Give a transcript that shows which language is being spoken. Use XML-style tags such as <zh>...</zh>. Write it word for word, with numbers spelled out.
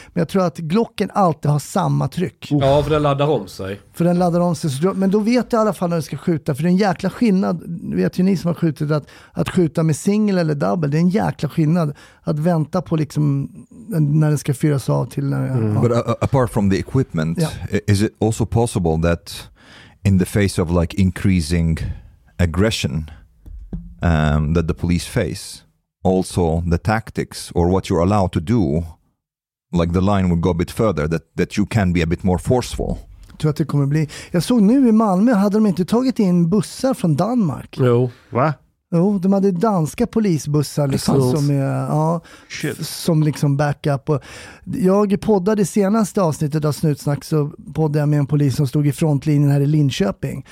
<sv>Men jag tror att Glocken alltid har samma tryck. Ja, för den laddar om sig. För den laddar om sig. Men då vet du i alla fall när du ska skjuta, för det är en jäkla skillnad, vet ju ni som har skjutit, att, att skjuta med single eller double, det är en jäkla skillnad att vänta på liksom när den ska fyras av till när</sv> <en>mm. ja. But uh, apart from the equipment, yeah. Is it also possible that in the face of like increasing aggression um, that the police face, also the tactics or what you're allowed to do, like the line would go a bit further, that, that you can be a bit more forceful?</en> <sv>Jag tror att det kommer bli... Jag såg nu i Malmö, hade de inte tagit in bussar från Danmark? Jo, va? Jo, de hade danska polisbussar liksom, som, är, ja, som liksom backup. Och jag poddade senaste avsnittet av Snutsnack, så poddade jag med en polis som stod i frontlinjen här i Linköping.</sv>